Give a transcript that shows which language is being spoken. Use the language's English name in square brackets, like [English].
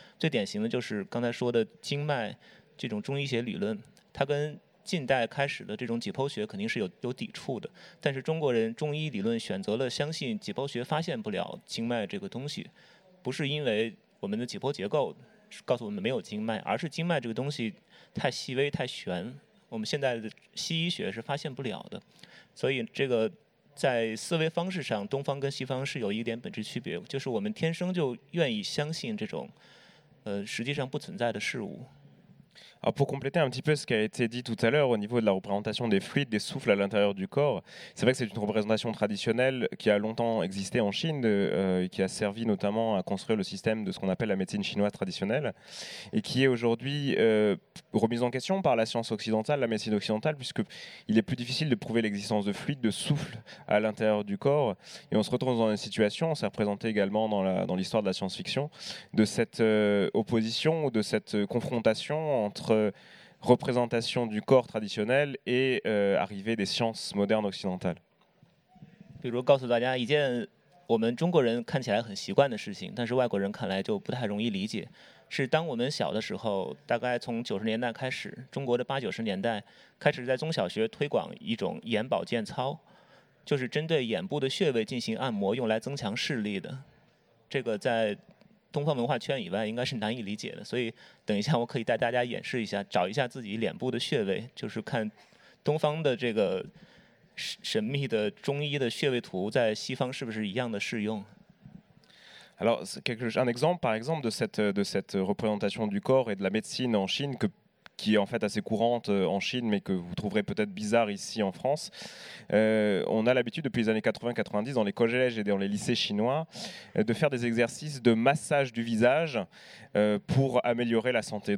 [Chinese] 最典型的就是刚才说的经脉这种中医学理论，它跟近代开始的这种解剖学肯定是 有抵触的，但是中国人中医理论选择了相信解剖学发现不了经脉这个东西，不是因为我们的解剖结构告诉我们没有经脉，而是经脉这个东西太细微太玄，我们现在的西医学是发现不了的。所以这个在思维方式上东方跟西方是有一点本质区别，就是我们天生就愿意相信这种实际上不存在的事物。 [French] Alors pour compléter un petit peu ce qui a été dit tout à l'heure au niveau de la représentation des fluides, des souffles à l'intérieur du corps, c'est vrai que c'est une représentation traditionnelle qui a longtemps existé en Chine, qui a servi notamment à construire le système de ce qu'on appelle la médecine chinoise traditionnelle, et qui est aujourd'hui remise en question par la science occidentale, la médecine occidentale, puisqu'il est plus difficile de prouver l'existence de fluides, de souffles à l'intérieur du corps. Et on se retrouve dans une situation, c'est représenté également dans l'histoire de la science-fiction, de cette opposition ou de cette confrontation entre représentation du corps traditionnel et arrivée des sciences modernes occidentales. [Chinese] 比如告诉大家一件我们中国人看起来很习惯的事情，但是外国人看来就不太容易理解，是当我们小的时候，大概从90年代开始，中国的80、90年代开始在中小学推广一种眼保健操，就是针对眼部的穴位进行按摩，用来增强视力的。这个在东方文化圈以外应该是难以理解的，所以等一下我可以带大家演示一下，找一下自己脸部的穴位，就是看东方的这个神秘的中医的穴位图在西方是不是一样的适用。 [French] Alors, un exemple, par exemple, de cette représentation du corps et de la médecine en Chine qui est en fait assez courante en Chine, mais que vous trouverez peut-être bizarre ici en France. On a l'habitude depuis les années 80-90 dans les collèges et dans les lycées chinois de faire des exercices de massage du visage pour améliorer la santé.